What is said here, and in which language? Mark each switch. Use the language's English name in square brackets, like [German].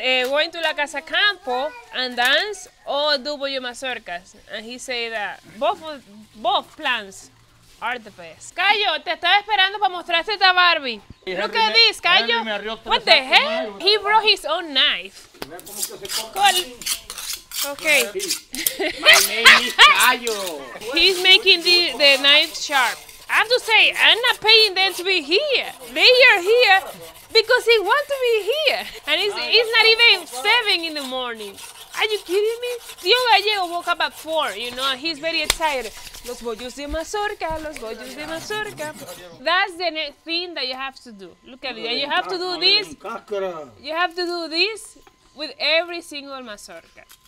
[English] Going to La Casa Campo and dance, or do bollo mazorcas? And he said that both plans are the best. [Spanish] Cayo, te estaba esperando para mostrarte esta Barbie. [English] Look at this, Cayo. What the hell? He brought his own knife. Okay. My name is Cayo. He's making the knife sharp. I have to say, I'm not paying them to be here. They are here because they want to be here. And it's not even 7 in the morning. Are you kidding me? Tio Gallego woke up at 4, you know, and he's very excited. [Spanish] Los bollos de mazorca, los bollos de mazorca. [English] That's the next thing that you have to do. Look at it. And you have to do this. You have to do this with every single mazorca.